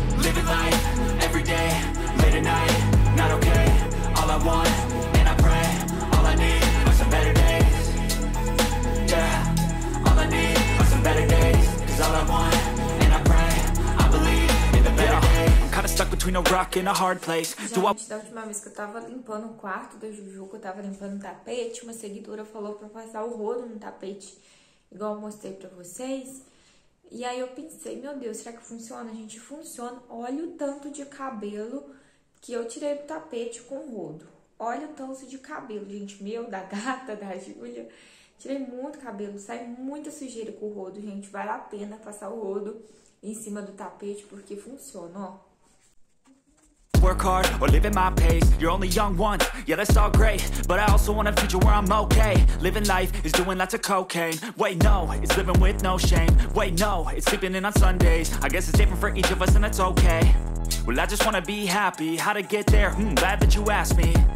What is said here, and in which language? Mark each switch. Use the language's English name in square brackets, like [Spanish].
[English] Living life, every day, late at night, not okay. All I want, and I pray. All I need are some better days. Yeah, all I need are some better days. Cause all I want, and I pray, I believe in the better days. [Portuguese] Gente, da última vez que eu tava limpando o quarto da Juju, que eu tava limpando o tapete, uma seguidora falou pra passar o rolo no tapete, igual eu mostrei pra vocês. E aí eu pensei, meu Deus, será que funciona? Gente, funciona. Olha o tanto de cabelo que eu tirei do tapete com o rolo. Olha o tanto de cabelo, gente, meu, da gata, da Júlia. Tirei muito cabelo, sai muita sujeira com o rolo, gente. Vale a pena passar o rolo em cima do tapete porque funciona, ó. [English] Work hard or live at my pace. You're only young once, yeah, that's all great. But I also want a future where I'm okay. Living life is doing lots of cocaine. Wait, no, it's living with no shame. Wait, no, it's sleeping in on Sundays. I guess it's different for each of us and that's okay. Well, I just want to be happy. How to get there? Glad that you asked me.